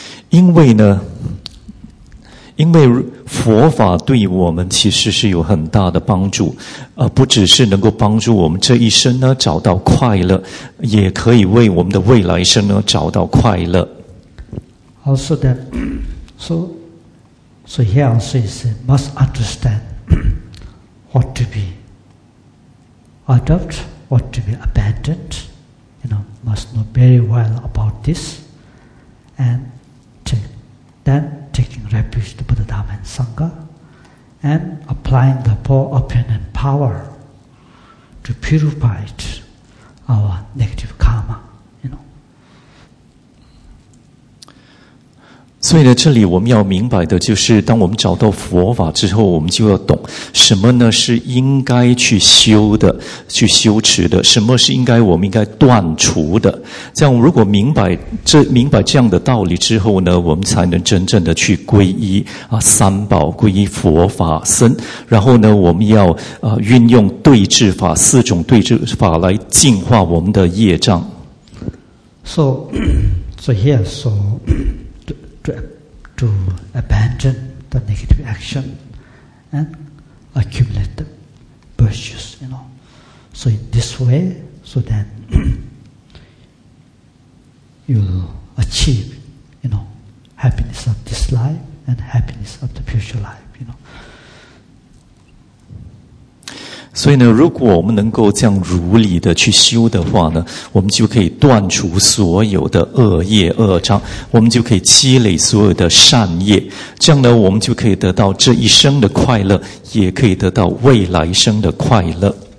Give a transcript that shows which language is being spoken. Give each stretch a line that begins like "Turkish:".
Chinese: 因为呢，因为佛法对我们其实是有很大的帮助，不只是能够帮助我们这一生呢找到快乐，也可以为我们的未来生呢找到快乐。
English: Also that, so here also is must understand what to be adopt, what to be abandoned. You know, must know very well about this and. Then taking refuge to Buddha, Dhamma, and Sangha, and applying the four opulent power to purify it, our negative karma, you know.
Chinese: 所以呢，这里我们要明白的就是，当我们找到佛法之后，我们就要懂什么呢？是应该去修的，去修持的；什么是应该我们应该断除的？这样，如果明白这样的道理之后呢，我们才能真正的去皈依啊三宝，皈依佛法僧。然后呢，我们要运用对治法四种对治法来净化我们的业障。
English: So here, so. To abandon the negative action and accumulate the virtues, you know. So in this way, so then you'll achieve, you know, happiness of this life and happiness of the future life, you know.
Chinese: 所以呢，如果我们能够这样如理的去修的话呢，我们就可以断除所有的恶业恶障，我们就可以积累所有的善业，这样呢，我们就可以得到这一生的快乐，也可以得到未来生的快乐。